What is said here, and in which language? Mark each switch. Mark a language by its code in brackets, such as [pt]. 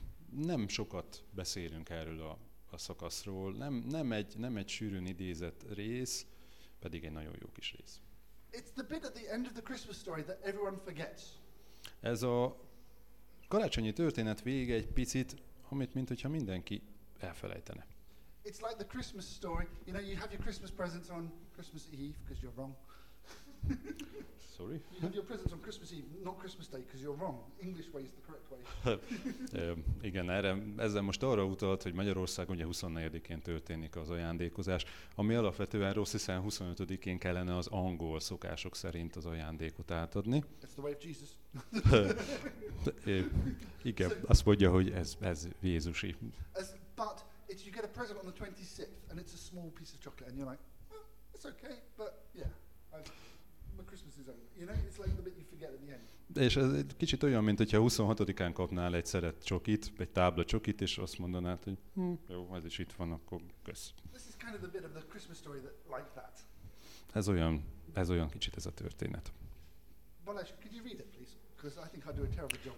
[hu] Nem sokat beszélünk erről a szakaszról. Nem egy sűrűn idézett rész, pedig egy nagyon jó kis rész. [en] It's the bit at the end of the Christmas story that everyone forgets. [hu] Ez a karácsonyi történet vége egy picit, amit mint hogyha mindenki elfelejtene. [en] It's like the Christmas story, you know, you have your Christmas presents on Christmas Eve because you're wrong. Sorry. You have your presents on Christmas Eve, not Christmas Day, because you're wrong. English way is the correct way. [hu] Igen, erre, ezzel most arra utalt, hogy Magyarországon ugye 24-én történik az ajándékozás, ami alapvetően rossz, hiszen 25-én kellene az angol szokások szerint az ajándékot átadni. [en] That's the way of Jesus. [hu] Igen, so, azt mondja, hogy ez Jézusi. [en] But if you get a present on the 26th, and it's a small piece of chocolate, and you're like, well, it's okay, but yeah. My Christmas is over. You know, it's like the bit you forget at the end. [hu] És ez egy kicsit olyan, mint hogyha 26-án kapnál egy szeret csokit, egy tábla csokit, és azt mondanád, hogy jó, ez is itt van, akkor kösz. [en] This is kind of the bit of the Christmas story that like that. [hu] Ez olyan kicsit ez a történet. [en] Balázs, could you read it, please? Because I think I do a terrible job.